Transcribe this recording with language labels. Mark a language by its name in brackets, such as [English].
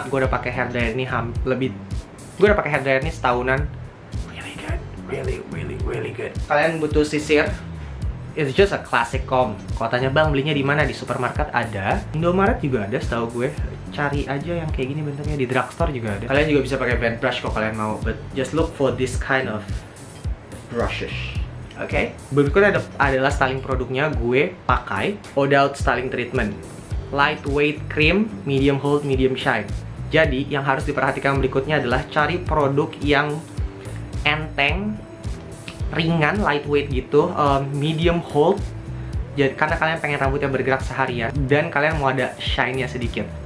[Indonesian] Gue udah pakai hair dryer ini setahunan. [English] Really good. Really, really, really good. [Indonesian] Kalian butuh sisir. [English] It's just a classic comb. [Indonesian] Kalau tanya bang, belinya di mana? Di supermarket ada. Indomaret juga ada setahu gue. Cari aja yang kayak gini bentuknya. Di drugstore juga ada. Kalian juga bisa pakai band brush kalau kalian mau. [English] But just look for this kind of brushes. Oke? Okay? [Indonesian] Berikutnya adalah styling produknya. Gue pakai Odout Styling Treatment. [English] Lightweight cream, medium hold, medium shine. [Indonesian] Jadi, yang harus diperhatikan berikutnya adalah cari produk yang enteng, ringan, lightweight gitu, medium hold, jadi karena kalian pengen rambutnya bergerak seharian dan kalian mau ada shine-nya sedikit.